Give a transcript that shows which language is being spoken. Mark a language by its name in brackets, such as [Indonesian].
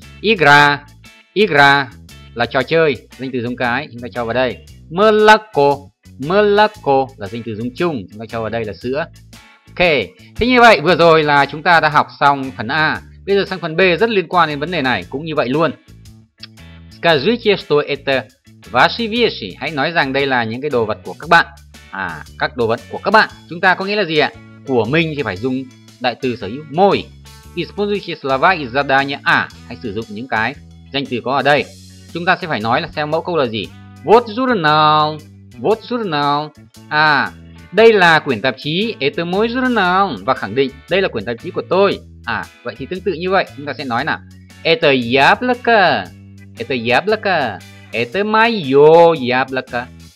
[Vietnamese] Igra, Igra là trò chơi, danh từ giống cái. Chúng ta cho vào đây. Mlako, Mlako là danh từ giống chung. Chúng ta cho vào đây là sữa. Ok, thế như vậy vừa rồi là chúng ta đã học xong phần A. Bây giờ sang phần B rất liên quan đến vấn đề này, cũng như vậy luôn. [Russian] Скажите, что это ваши вещи? [Vietnamese] Hãy nói rằng đây là những cái đồ vật của các bạn. À, các đồ vật của các bạn. Chúng ta có nghĩa là gì ạ? Của mình thì phải dùng đại từ sở hữu мой. [Russian] Используйте слова из задания А. [Vietnamese] Hãy sử dụng những cái danh từ có ở đây. Chúng ta sẽ phải nói là xem mẫu câu là gì? [Russian] Вот журнал. Вот журнал. [Vietnamese] À, đây là quyển tạp chí. [Russian] Это мой журнал. [Vietnamese] Và khẳng định đây là quyển tạp chí của tôi. À, vậy thì tương tự như vậy, chúng ta sẽ nói nào. [Russian] Это яблоко. Это яблоко. Это моё яблоко.